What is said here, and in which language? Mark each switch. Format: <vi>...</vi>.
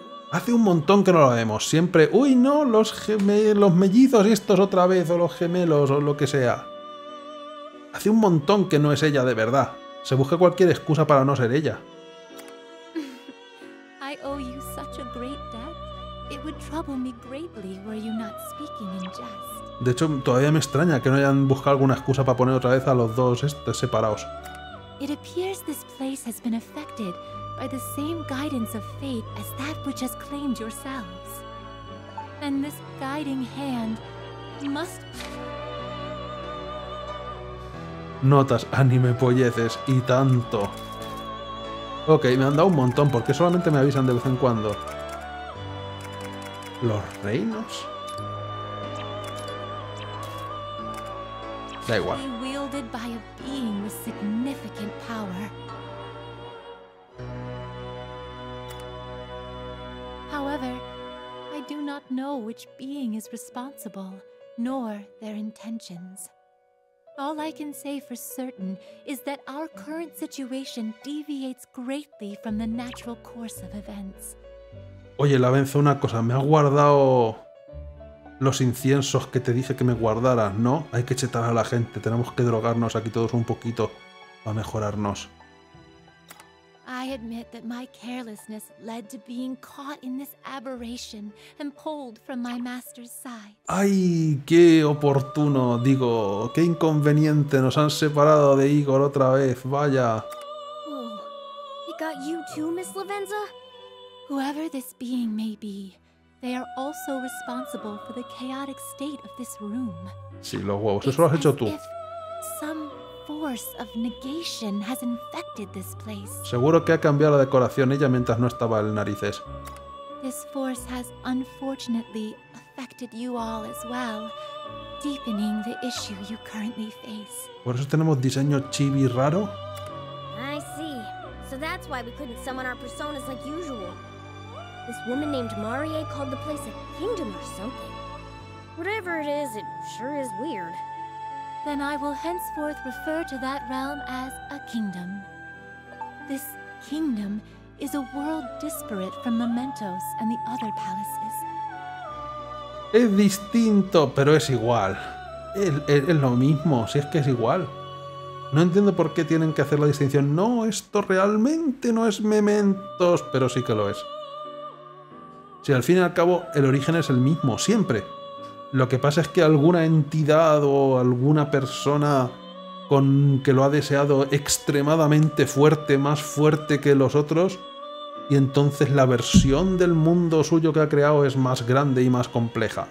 <es>Hace un montón que no lo vemos, siempre... ¡Uy, no! Los mellizos estos otra vez, o los gemelos, o lo que sea. Hace un montón que no es ella, de verdad. Se busca cualquier excusa para no ser ella.</es> <en>I owe you such a great debt. It would trouble me greatly were you not speaking in jest.</en> <es>De hecho, todavía me extraña que no hayan buscado alguna excusa para poner otra vez a los dos separados.</es> <en>It appears this place has been affected by the same guidance of fate as that which has claimed yourselves. And this guiding hand must...</en> <es>Notas, anime, polleces, y tanto. Ok, me han dado un montón, porque solamente me avisan de vez en cuando. ¿Los reinos? Da igual.</es> <en>Wielded by a being with significant power. However, I do not know which being is responsible, nor their intentions. All I can say for certain is that our current situation deviates greatly from the natural course of events.</en> <es>Oye, la venzo una cosa, me ha guardado los inciensos que te dije que me guardaras, ¿no? Hay que chetar a la gente, tenemos que drogarnos aquí todos un poquito para mejorarnos.</es> <en>I admit that my carelessness led to being caught in this aberration and pulled from my master's side.</en> <es>¡Ay, qué oportuno! Digo, qué inconveniente, nos han separado de Igor otra vez, vaya.</es> <en>Oh, it got you too, Miss Lavenza? Whoever this being may be, they are also responsible for the chaotic state of this room.</en> <es>Sí, los huevos, eso lo has hecho tú.</es> <en>Some force of negation has infected this place.</en> <es>Seguro que ha cambiado la decoración ella mientras no estaba el narices.</es> <en>This force has unfortunately affected you all as well, deepening the issue you currently face.</en> <es>¿Por eso tenemos diseño chibi raro?</es> <en>I see. So that's why we couldn't summon our personas like usual. This woman named Marie called the place a kingdom or something. Whatever it is, it sure is weird. Then I will henceforth refer to that realm as a kingdom. This kingdom is a world disparate from Mementos and the other palaces.</en> <es>Es distinto, pero es igual. Es lo mismo, si es que es igual. No entiendo por qué tienen que hacer la distinción. No, esto realmente no es Mementos, pero sí que lo es. Si al fin y al cabo el origen es el mismo, siempre. Lo que pasa es que alguna entidad o alguna persona con que lo ha deseado extremadamente fuerte, más fuerte que los otros, y entonces la versión del mundo suyo que ha creado es más grande y más compleja.</es>